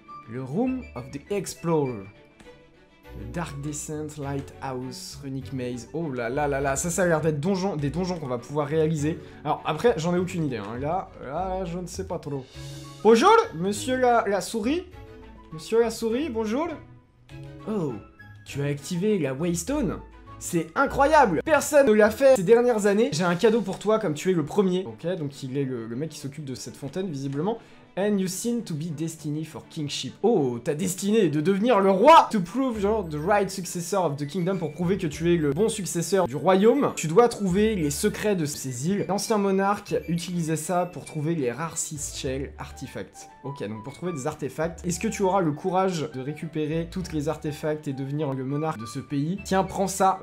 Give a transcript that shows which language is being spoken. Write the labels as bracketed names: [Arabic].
[English] Le Room of the Explorer. Le Dark Descent Lighthouse Runic Maze. [French] Oh là là là là, ça, ça a l'air d'être donjon, des donjons qu'on va pouvoir réaliser. Alors après, j'en ai aucune idée. Hein. Là, là, je ne sais pas trop. Bonjour, monsieur la souris. Monsieur la souris, bonjour. Oh, tu as activé la Waystone? C'est incroyable! Personne ne l'a fait ces dernières années. J'ai un cadeau pour toi comme tu es le premier. Ok, donc il est le mec qui s'occupe de cette fontaine, visiblement. [English] And you seem to be destined for kingship. [French] Oh, t'as destiné de devenir le roi! [English] To prove, [French] genre, [English] the right successor of the kingdom, [French] pour prouver que tu es le bon successeur du royaume, tu dois trouver les secrets de ces îles. L'ancien monarque utilisait ça pour trouver les rares Seashell artifacts. Ok, donc pour trouver des artefacts, est-ce que tu auras le courage de récupérer toutes les artefacts et devenir le monarque de ce pays? Tiens, prends ça.